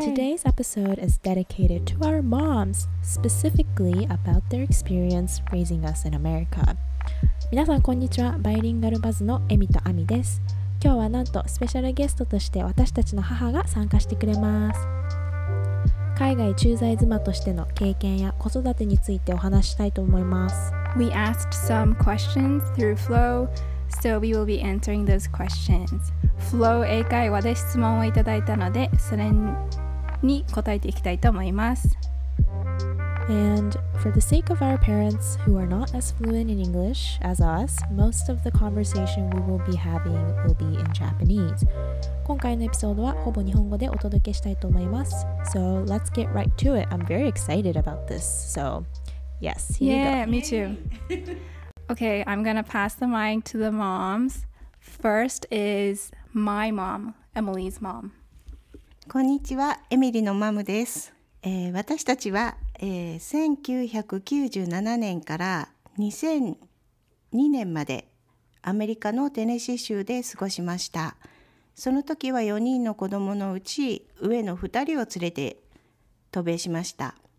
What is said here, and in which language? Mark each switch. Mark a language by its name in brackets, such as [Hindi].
[English] Today's episode is dedicated to our moms, specifically about their experience raising us in America. [Japanese] 皆さんこんにちは。バイリンガルバズのエミとアミです。今日はなんとスペシャルゲストとして私たちの母が参加してくれます。海外駐在妻としての経験や子育てについてお話したいと思います。 [English] We asked some questions through Flow, so we will be answering those questions. [Japanese] Flow 英会話で質問をいただいたので、それに答えていきたいと思います。 [English] And for the sake of our parents who are not as fluent in English as us, most of the conversation we will be having will be in Japanese. [Japanese] 今回のエピソードはほぼ日本語でお届けしたいと思います。 [English] So let's get right to it. I'm very excited about this. So, yes, here you go. Yeah, me too. Okay, I'm gonna pass the mic to the moms. First is my mom, Emily's mom. [Japanese] こんにちは、エミリのマムです。私たちは1997年から2002年までアメリカのテネシー州で過ごしました。その時は4人の子供のうち上の2人を連れて渡米しました。